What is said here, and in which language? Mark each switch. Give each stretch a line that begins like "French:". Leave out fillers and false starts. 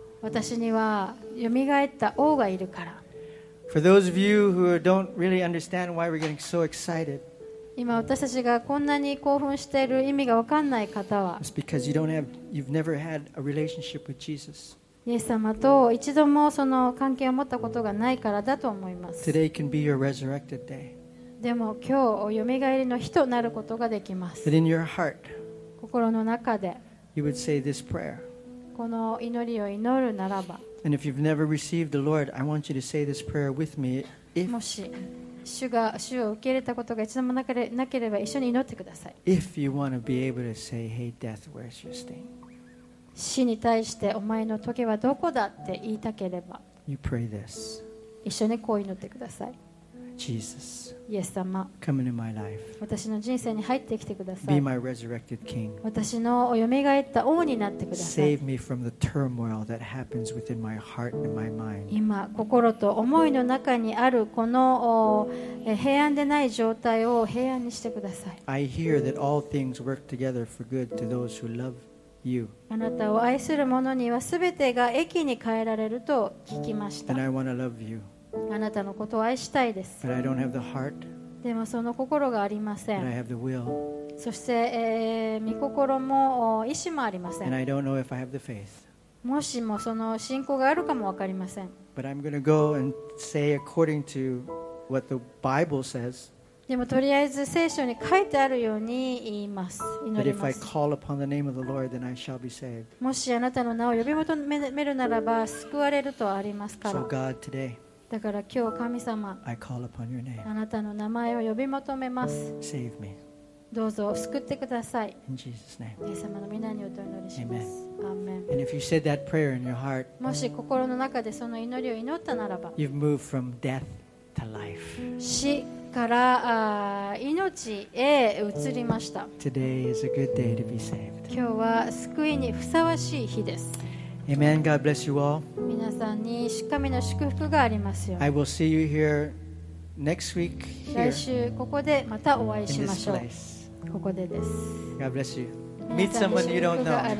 Japanese: 私にはよみがえった王がいるから。
English: For those of you who don't really understand why we're getting so excited.
Japanese: 今私たちがこんなに興奮している意味が分かんない方は、
English: It's because you don't have, you've never had a relationship with Jesus.
Japanese: イエス様と一度もその関係を持ったことがないからだと思います。
English: Today can be your resurrected day.
Japanese: でも今日よみがえりの日となることができます。
English: in your heart,
Japanese: 心の中で
English: you would say this prayer.
Japanese: この祈りを祈るならば、
English: And if you've never received the Lord, I want you to say this prayer with me. If,
Japanese: もし主を受け入れたことが一度もなければ一緒に祈ってください。
English: If you want to be able to say, Hey death, where's your sting?
Japanese: 死に対してお前の棘はどこだって言いたければ
English: you pray this.
Japanese: 一緒にこう祈ってください。
English: Jesus,
Japanese: イエス様、
English: come into my life.
Japanese: 私の人生に入ってきてください。
English: Be my resurrected king.
Japanese: 私のおよみがえった王になってください。
English: Save me from the turmoil that happens within my heart and my mind.
Japanese: 今心と思いの中にあるこの平安でない状態を平安にしてください。
English: I hear that all things work together for good to those who love you.
Japanese: あなたを愛する者にはすべてが益に変えられると聞きました。
English: And I want to love you.
Japanese: あなたのことを愛したいです。
English: But I don't have the heart.
Japanese: でもその心がありません。
English: But I have the will.
Japanese: そして、御心も意志もありません。
English: And I don't know if I have the faith.
Japanese: もしもその信仰があるかも分かりません。
English: But I'm going to go and say according to what the Bible says.
Japanese: でもとりあえず聖書に書いてあるように言います。
English: But if I call upon the name of the Lord, then I shall be saved.
Japanese: もしあなたの名を呼び求めるならば救われるとありますから。
English: So God today.
Japanese: だから今日神様、
English: I call upon your name.
Japanese: あなたの名前を呼び求めます。
English: Save me.
Japanese: どうぞ救ってください。
English: In Jesus name.
Japanese: イエス様の御名によってお祈りします。
English: Amen. And if you said that prayer in your heart,
Japanese: もし心の中でその祈りを祈ったならば、
English: You've moved from death to life.
Japanese: 死から命へ移りました。
English: Today is a good day to be saved.
Japanese: 今日は救いにふさわしい日です。
English: Amen. God bless you all.
Japanese: 皆さんに神の祝福がありますように。
English: I will see you here next week. Here.
Japanese: 来週ここでまたお会いしましょう。
English: In this place.
Japanese: ここでです。
English: God bless you. Meet someone you don't know.